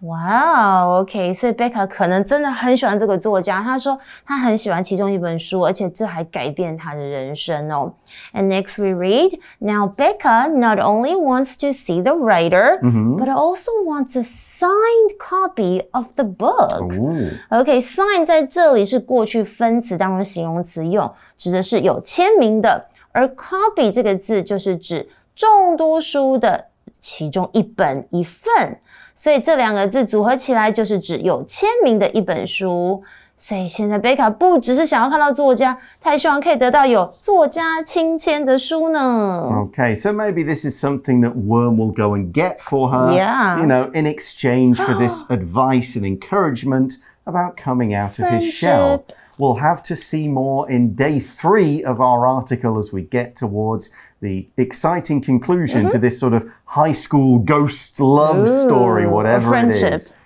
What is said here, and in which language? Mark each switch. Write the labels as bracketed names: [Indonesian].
[Chinese] Wow, okay, 所以 Becca 可能真的很喜欢这个作家，她说她很喜欢其中一本书，而且这还改变她的人生哦。 [English] And next we read, now Becca not only wants to see the writer, but also wants a signed copy of the book. [Chinese] Okay, signed 在这里是过去分词当中形容词用，指的是有签名的，而 copy 这个字就是指众多书的其中一本一份，所以这两个字组合起来就是指有签名的一本书。所以现在贝卡不只是想要看到作家，她还希望可以得到有作家亲签的书呢。 [English] Okay, so maybe this is something that Worm will go and get for her. Yeah. You know, in exchange for this advice and encouragement, about coming out of his shell. We'll have to see more in day three of our article as we get towards the exciting conclusion、mm-hmm. to this sort of high school ghost love Ooh, story, whatever it is.